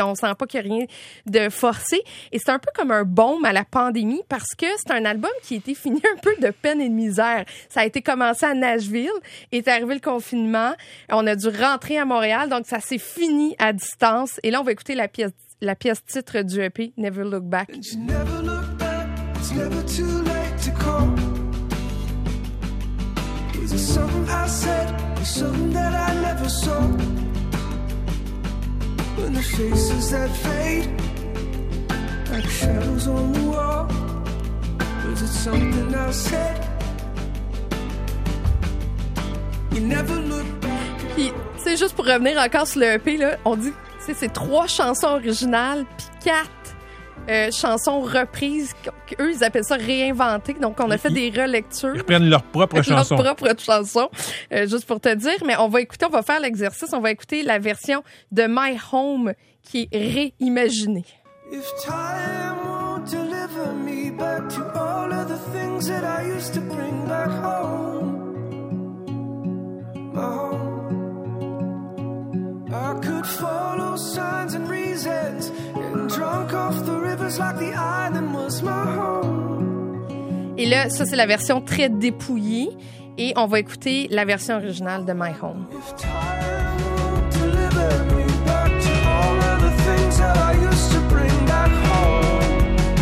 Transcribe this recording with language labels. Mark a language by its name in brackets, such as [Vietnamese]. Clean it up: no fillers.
[French] On sent pas qu'il y a rien de forcé. Et c'est un peu comme un baume à la pandémie parce que c'est un album qui a été fini un peu de peine et de misère. Ça a été commencé à Nashville. Est arrivé le confinement. On a dû rentrer à Montréal. Donc, ça s'est fini à distance. Et là, on va écouter la pièce titre du EP, Never Look Back. [English] And you never look back, it's never too late to call. Is it something I said, or something that I never saw? When the faces that fade, like shadows on the wall. Is it something I said? You never look back. [French] C'est juste pour revenir encore sur le EP, là, on dit... C'est trois chansons originales, puis quatre chansons reprises. Eux, ils appellent ça réinventer. Donc, on a fait des relectures. Ils reprennent leurs propres chansons. Leurs propres chansons, juste pour te dire. Mais on va écouter, on va faire l'exercice. On va écouter la version de My Home qui est réimaginée. [English] If time won't deliver me back to all of the things that I used to bring back home. I could follow signs and reasons and drunk off the rivers like the island was my home. [French] Et là, ça c'est la version très dépouillée et on va écouter la version originale de My Home. [English] If time won't deliver me back to all of the things that I used to bring back home.